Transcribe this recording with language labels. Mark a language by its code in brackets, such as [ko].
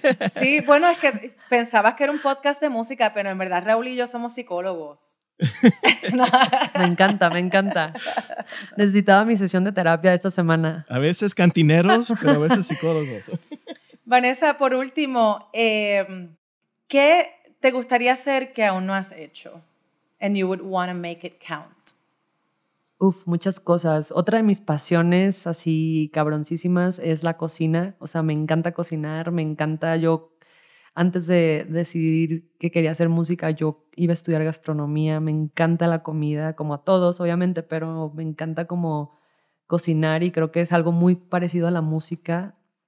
[es] Sí, bueno, es que pensabas que era un podcast de música, pero en verdad Raúl y yo somos psicólogos. Me encanta. Necesitaba mi sesión de terapia esta semana. A veces cantineros, pero a veces psicólogos. Vanessa, por último, ¿qué te gustaría hacer que aún no has hecho? [en] And you would want to make it count. [es] Uf, muchas cosas. Otra de mis pasiones así cabroncísimas es la cocina. O sea, me encanta cocinar, me encanta. Yo, antes de decidir que quería hacer música, yo iba a estudiar gastronomía. Me encanta la comida, como a todos, obviamente, pero me encanta como cocinar y creo que es algo muy parecido a la música.